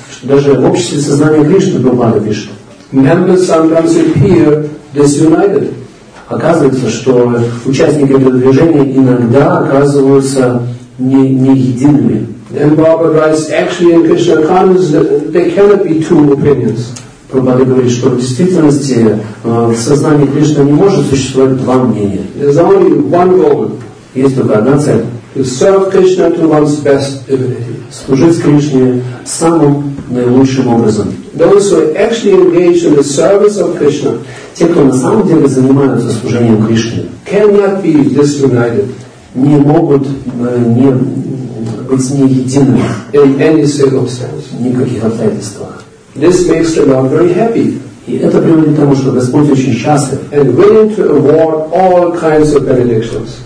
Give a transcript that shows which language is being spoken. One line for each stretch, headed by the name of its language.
Russian: что даже в обществе сознания Кришны, Прабхупада пишет,
English: members sometimes appear disunited.
Russian: Оказывается, что участники этого движения иногда оказываются не едиными.
English: Then Prabhupada writes, actually in Krishna consciousness, there cannot be two opinions.
Russian: Прабхупада говорит, что в действительности в сознании Кришны не может существовать два мнения.
English: There's only one goal.
Russian: Есть только одна цель.
English: To serve Krishna to one's best ability.
Russian: Служить Кришне самым наилучшим образом.
English: Those who are actually engaged in the service of Krishna,
Russian: те, кто на самом деле занимаются служением Кришне,
English: cannot be disunited.
Russian: Не могут не быть не едиными
English: in any circumstance.
Russian: Никаких обстоятельствах.
English: This makes the Lord very happy.
Russian: И это приводит к тому, что Господь очень счастлив.
English: And willing to award all kinds of benedictions.